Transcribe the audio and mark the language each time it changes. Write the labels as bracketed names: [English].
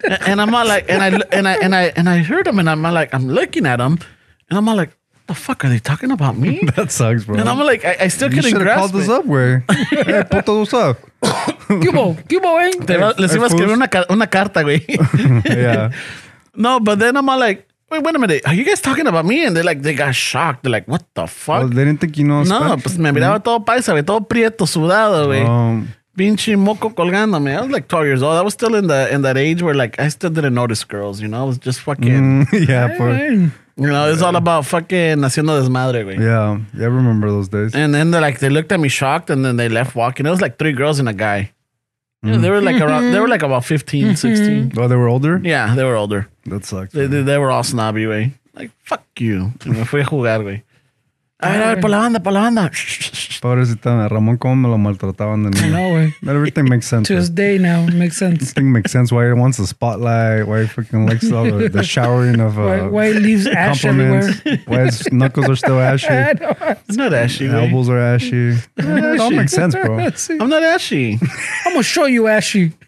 [English] And I'm all like, and I heard them, and I'm all like, I'm looking at them, and I'm all like, the fuck are they talking about me? That sucks, bro. And I'm like, I still couldn't grasp it. You should have called us up, güey. Hey, puto, what's up? [Spanish] ¿Qué hubo, güey? Les iba a escribir una carta, güey. [English] Yeah. No, but then I'm all like, wait a minute. Are you guys talking about me? And they got shocked. They're like, what the fuck? Well, they didn't think you know Spanish. [Spanish] No, pues me miraba todo paisa, todo prieto, sudado, güey. Pinche moco colgándome. [English] I was like 12 years old. I was still in that age where like I still didn't notice girls, you know? I was just fucking... yeah, for... You know, it's all about fucking [Spanish] haciendo desmadre, güey. [English] Yeah, I remember those days. And then they looked at me shocked and then they left walking. It was like three girls and a guy. Yeah, they were like around. They were like about 15, 16. Oh, they were older? Yeah, they were older. That sucks. They were all snobby, güey. Like, fuck you. [Spanish] Me fui a jugar, güey. A ver, por la banda. Pobrecita, Ramón, ¿cómo me lo maltrataban de niño? No, güey. [English] But everything makes sense. To this day now, it makes sense. Everything makes sense. Why he wants the spotlight, why he fucking likes all the showering of why he leaves ash everywhere. Why his knuckles are still ashy. It's not ashy, man. Elbows are ashy. It all makes sense, bro. I'm not ashy. I'm going to show you ashy.